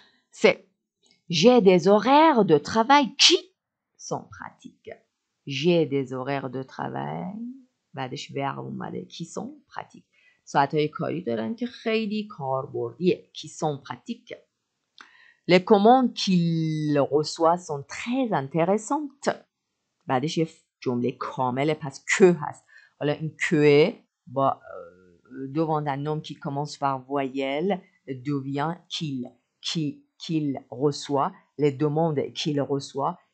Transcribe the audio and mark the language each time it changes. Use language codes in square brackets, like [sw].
[fr] C'est j'ai des horaires de travail qui sont pratiques. J'ai des horaires de travail. [fa] بعدش verbe اومده. [fr] Qui sont pratiques. [fa] ساعت‌های کاری دارن که خیلی کاربردیه. [fr] Qui sont pratiques. Les commandes qu'il reçoit sont très intéressantes. [fa] بعدش یه جمله کامله پس que هست. حالا این [fr] que با devant un nom qui commence par voyelle devient qu'il. Qu'il reçoit. Les demandes qu'il reçoit.